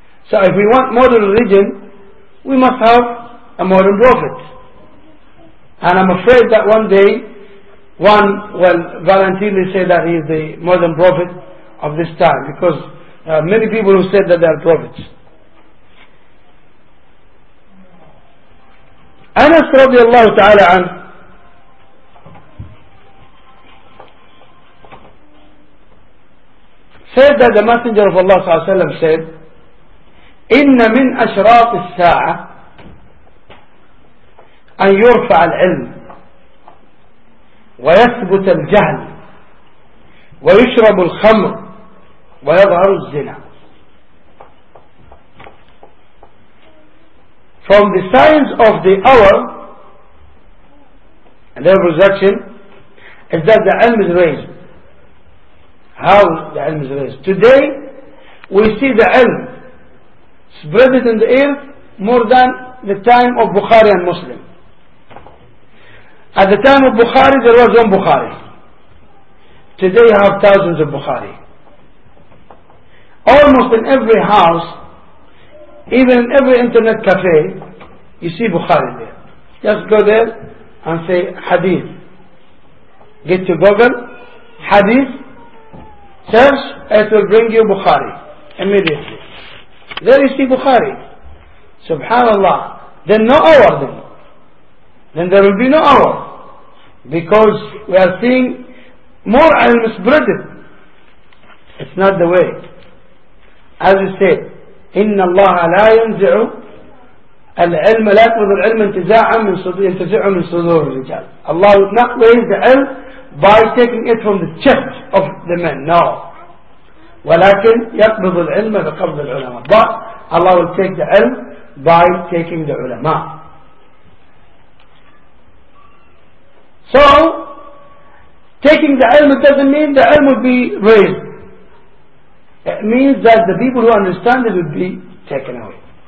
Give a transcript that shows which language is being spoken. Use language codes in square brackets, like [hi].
[en] So if we want modern religion, we must have a modern prophet. And I'm afraid that one day, Valentini said that he is the modern prophet of this time, because there are many people who said that they are prophets. [ar] Anas رضي الله تعالى عنه [en] said that the Messenger of Allah [ar] صلى الله عليه وسلم said, إن من أشراط الساعة أن يرفع العلم ويثبت الجهل ويشرب الخمر ويظهر الزنا. [en] from the signs of the hour and their resurrection is that the ilm is raised. How the ilm is raised? Today we see the ilm spread in the earth more than the time of Bukhari and Muslim. At the time of Bukhari, there was one Bukhari. Today you have thousands of Bukhari. Almost in every house, even in every internet cafe, you see Bukhari there. Just go there and say Hadith. Get to Google, Hadith, search, it will bring you Bukhari immediately. There you see Bukhari. Subhanallah. Then no hour then. Then there will be no hour. Because we are seeing more ilm spread. It's not the way. As you said, [ar] إن الله لا ينزع العلم لا يأخذ العلم انتزاعا من صدور ينتزع من صدور الرجال. [en] Allah would not raise the ilm by taking it from the chest of the men. No. [ar] ولكن يقبض العلم بقبض العلماء. [en] But Allah will take the ilm by taking the ulama. So taking the ilm doesn't mean the ilm will be raised. It means that the people who understand it will be taken away.